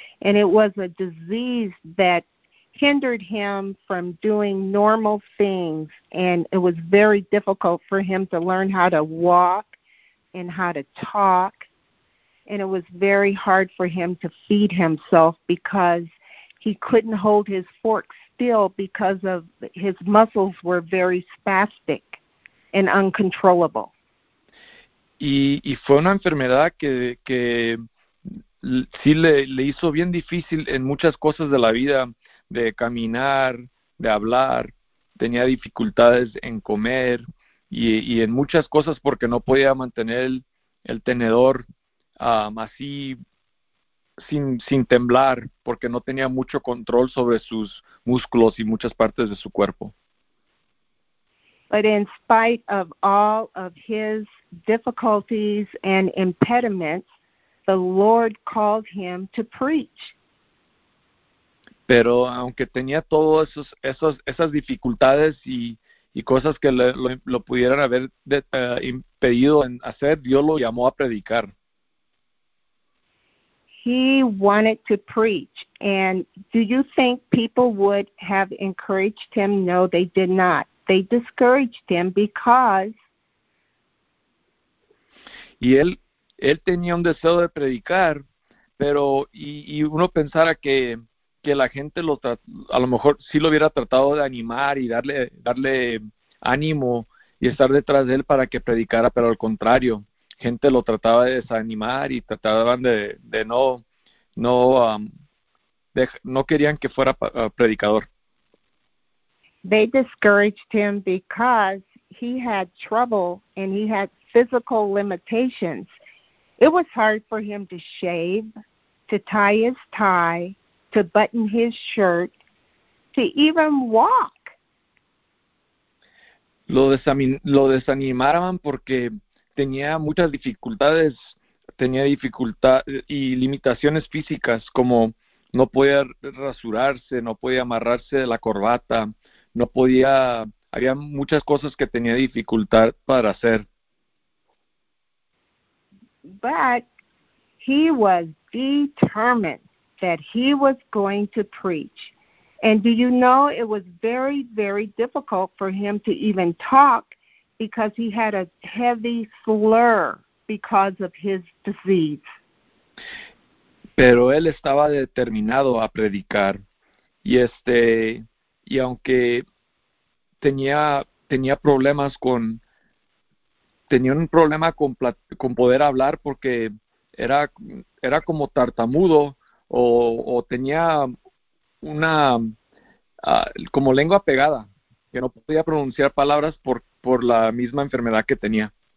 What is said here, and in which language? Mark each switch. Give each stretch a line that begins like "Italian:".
English: And it was a disease that hindered him from doing normal things, and it was very difficult for him to learn how to walk and how to talk, and it was very hard for him to feed himself because he couldn't hold his fork still because of his muscles were very spastic and uncontrollable.
Spanish: Y fue una enfermedad que sí le hizo bien difícil en muchas cosas de la vida, de caminar, de hablar, tenía dificultades en comer, Y en muchas cosas porque no podía mantener el tenedor así sin temblar porque no tenía mucho control sobre sus músculos y muchas partes de su cuerpo.
English: But in spite of all of his difficulties and impediments, the Lord called him to preach.
Spanish: Pero aunque tenía todas esas dificultades y cosas que lo pudieran haber impedido en hacer, Dios lo llamó a predicar.
English: He wanted to preach. And do you think people would have encouraged him? No, they did not. They discouraged him because...
Spanish: Y él tenía un deseo de predicar, pero y uno pensara que la gente a lo mejor sí lo hubiera tratado de animar y darle ánimo y estar detrás de él para que predicara, pero al contrario, gente lo trataba de desanimar y trataban no querían que fuera predicador.
English: They discouraged him because he had trouble and he had physical limitations. It was hard for him to shave, to tie his tie, to button his shirt, to even walk.
Spanish: Lo desanimaban porque tenía muchas dificultades, tenía dificultades y limitaciones físicas, como no podía rasurarse, no podía amarrarse la corbata, no podía, había muchas cosas que tenía dificultad para hacer.
English: But he was determined that he was going to preach. And do you know, it was very, very difficult for him to even talk because he had a heavy slur because of his disease.
Spanish: Pero él estaba determinado a predicar. Y y aunque tenía problemas con, tenía un problema con poder hablar porque era como tartamudo o tenía una como lengua pegada, que no podía pronunciar palabras por la misma enfermedad que tenía.